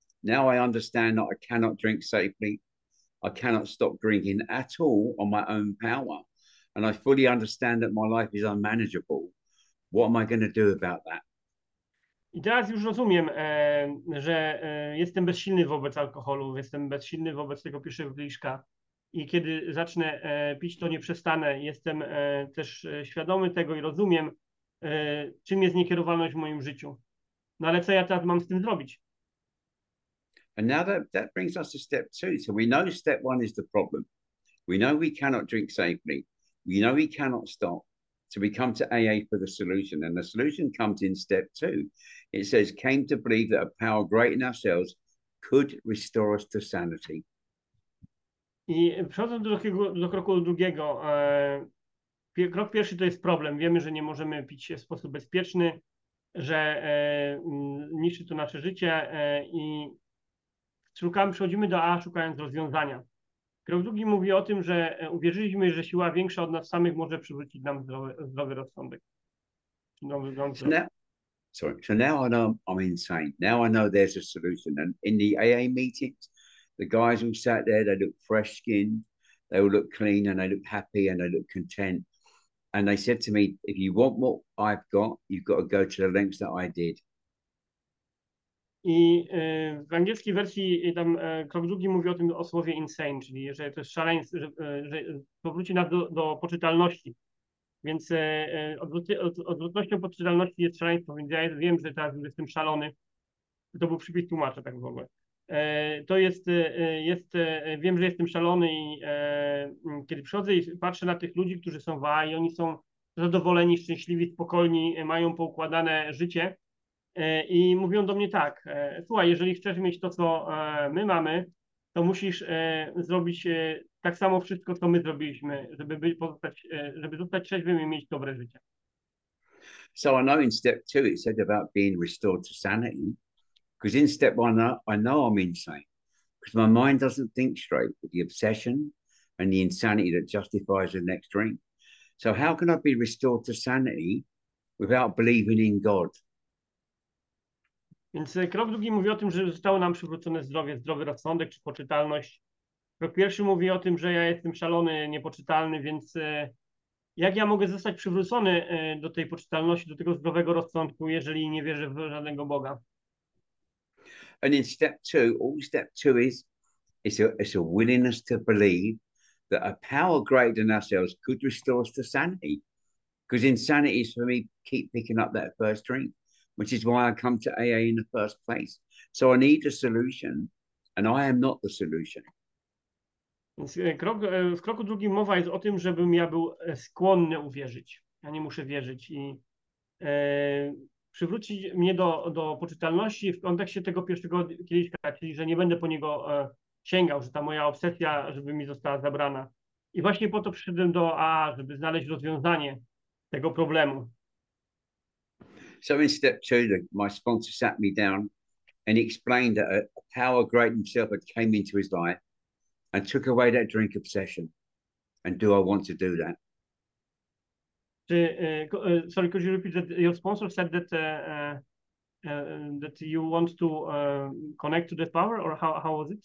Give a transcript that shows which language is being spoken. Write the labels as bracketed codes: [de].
[en] Now I understand that I cannot drink safely. I cannot stop drinking at all on my own power. And I fully understand that my life is unmanageable. What am I going to do about that? [pl] I teraz już rozumiem, że jestem bezsilny wobec alkoholu, jestem bezsilny wobec tego pierwszego kieliszka. I kiedy zacznę pić, to nie przestanę. Jestem też świadomy tego i rozumiem, czym jest niekierowalność w moim życiu. No ale co ja teraz mam z tym zrobić? [en] And now that brings us to step two. So we know step one is the problem. We know we cannot drink safely. We know we cannot stop. So we come to AA for the solution. And the solution comes in step two. It says, came to believe that a power greater than ourselves could restore us to sanity. [pl] I przechodząc do kroku drugiego. Krok pierwszy to jest problem. Wiemy, że nie możemy pić w sposób bezpieczny, że niszczy to nasze życie i przechodzimy do A, szukając rozwiązania. Krok drugi mówi o tym, że uwierzyliśmy, że siła większa od nas samych może przywrócić nam zdrowy rozsądek. [en] So now I know I'm insane. Now I know there's a solution. And in the AA meetings, the guys who sat there, they looked fresh skinned, they all looked clean and they looked happy and they looked content. And they said to me, if you want what I've got, you've got to go to the lengths that I did. [pl] I w angielskiej wersji tam krok drugi mówi o tym o słowie insane, czyli że to jest szaleństwo, że powróci nas do poczytalności. Więc odwrotnością poczytalności jest szaleństwo, więc ja wiem, że teraz jestem szalony. To był przypis tłumacza tak w ogóle. To jest wiem, że jestem szalony i kiedy przychodzę i patrzę na tych ludzi, którzy są w A i oni są zadowoleni, szczęśliwi, spokojni, mają poukładane życie. I mówią do mnie tak, słuchaj, jeżeli chcesz mieć to, co my mamy, to musisz zrobić tak samo wszystko, co my zrobiliśmy, żeby zostać trzeźwym i mieć dobre życie. [en] So I know in step two it said about being restored to sanity, because in step one I know I'm insane, because my mind doesn't think straight with the obsession and the insanity that justifies the next drink. So how can I be restored to sanity without believing in God? [pl] Więc krok drugi mówi o tym, że zostało nam przywrócone zdrowie, zdrowy rozsądek czy poczytalność. Krok pierwszy mówi o tym, że ja jestem szalony, niepoczytalny, więc jak ja mogę zostać przywrócony do tej poczytalności, do tego zdrowego rozsądku, jeżeli nie wierzę w żadnego Boga? [en] And in step two, all step two is, it's a willingness to believe that a power greater than ourselves could restore us to sanity. Because insanity is for me, keep picking up that first drink. Which is why I come to AA in the first place. So I need a solution, and I am not the solution. [pl] W kroku drugim mowa jest o tym, żebym ja był skłonny uwierzyć. Ja nie muszę wierzyć. I przywrócić mnie do poczytalności w kontekście tego pierwszego kieliszka, czyli że nie będę po niego sięgał, że ta moja obsesja, żeby mi została zabrana. I właśnie po to przyszedłem do AA, żeby znaleźć rozwiązanie tego problemu. [en] So in step two, my sponsor sat me down and he explained that a power greater than himself had came into his life and took away that drink obsession. And do I want to do that? Sorry, could you repeat that? Your sponsor said that that you want to connect to the power, or how was it?